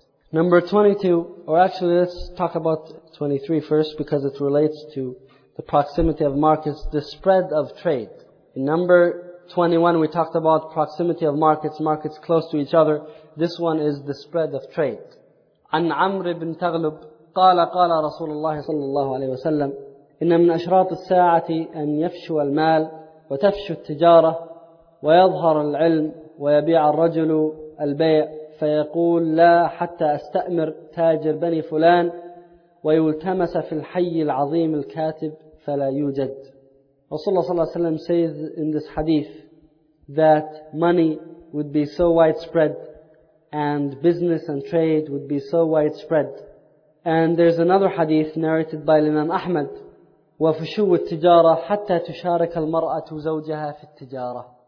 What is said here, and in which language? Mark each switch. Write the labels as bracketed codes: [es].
[en] Number 22, or actually let's talk about 23 first because it relates to the proximity of markets, the spread of trade. In number 21 we talked about proximity of markets, markets close to each other. This one is the spread of trade. [ar] عن عمر بن تغلب قال قال رسول الله صلى الله عليه وسلم إن من أشراط الساعة أن يفشو المال وتفشو التجارة ويظهر العلم ويبيع الرجل البيع فيقول لا حتى أستأمر تاجر بني فلان ويلتمس في الحي العظيم الكاتب فلا يوجد. [en] رسول الله صلى الله عليه وسلم says in this hadith that money would be so widespread and business and trade would be so widespread. And there's another hadith narrated by Imam Ahmad, [ar] وَفُشُوُ التِّجَارَةِ حَتَّى تُشَارِكَ الْمَرْأَةُ زَوْجَهَا فِي التِّجَارَةِ.